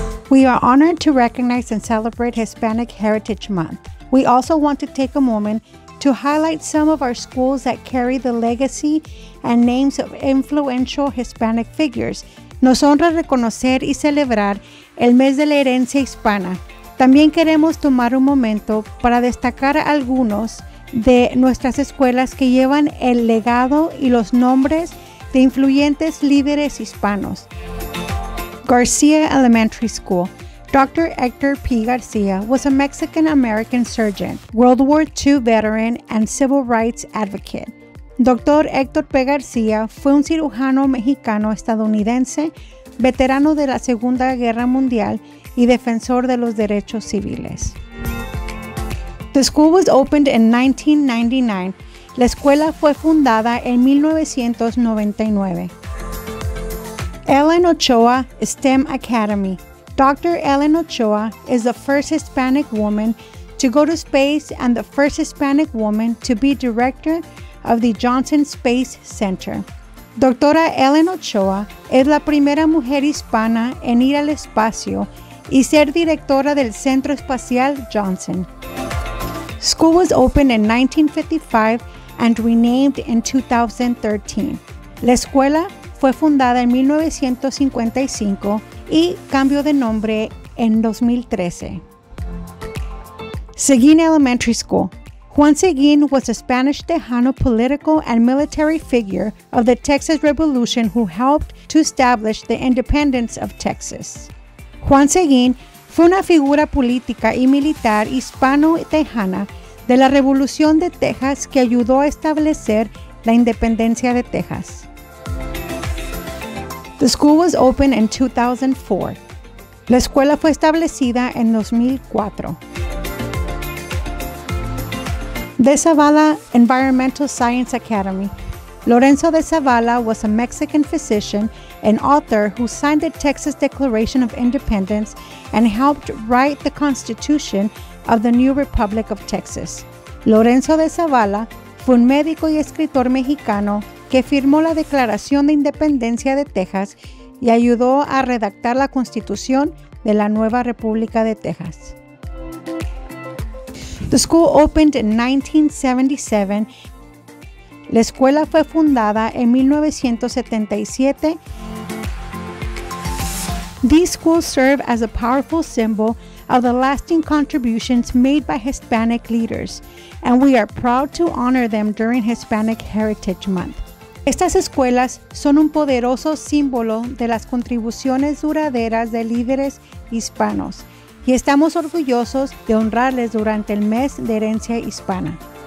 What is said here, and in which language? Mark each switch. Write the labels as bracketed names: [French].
[English] We are honored to recognize and celebrate Hispanic Heritage Month. We also want to take a moment to highlight some of our schools that carry the legacy and names of influential Hispanic figures. [Spanish] Nos honra reconocer y celebrar el mes de la herencia hispana. También queremos tomar un momento para destacar algunos de nuestras escuelas que llevan el legado y los nombres de influyentes líderes hispanos. [English] Garcia Elementary School. Dr. Hector P. Garcia was a Mexican-American surgeon, World War II veteran, and civil rights advocate. Dr. Hector P. [Spanish] Garcia fue un cirujano mexicano-estadounidense, veterano de la Segunda Guerra Mundial, y defensor de los derechos civiles. [English] The school was opened in 1999. [Spanish] La escuela fue fundada en 1999. [English] Ellen Ochoa STEM Academy. Dr. Ellen Ochoa is the first Hispanic woman to go to space and the first Hispanic woman to be director of the Johnson Space Center. [Spanish] Doctora Ellen Ochoa es la primera mujer hispana en ir al espacio y ser directora del Centro Espacial Johnson. [English] School was opened in 1955 and renamed in 2013. [Spanish] La escuela fue fundada en 1955 y cambió de nombre en 2013. [English] Seguin Elementary School. Juan Seguin was a Spanish Tejano political and military figure of the Texas Revolution who helped to establish the independence of Texas. [Spanish] Juan Seguin fue una figura política y militar hispano-tejana de la Revolución de Texas que ayudó a establecer la independencia de Texas. [English] The school was opened in 2004. [Spanish] La escuela fue establecida en 2004. [English] De Zavala Environmental Science Academy. Lorenzo de Zavala was a Mexican physician and author who signed the Texas Declaration of Independence and helped write the Constitution of the New Republic of Texas. [Spanish] Lorenzo de Zavala fue un médico y escritor mexicano que firmó la Declaración de Independencia de Texas y ayudó a redactar la Constitución de la Nueva República de Texas. [English] The school opened in 1977. [Spanish] La escuela fue fundada en 1977. [English] These schools serve as a powerful symbol of the lasting contributions made by Hispanic leaders, and we are proud to honor them during Hispanic Heritage Month. [Spanish] Estas escuelas son un poderoso símbolo de las contribuciones duraderas de líderes hispanos, y estamos orgullosos de honrarles durante el mes de herencia hispana.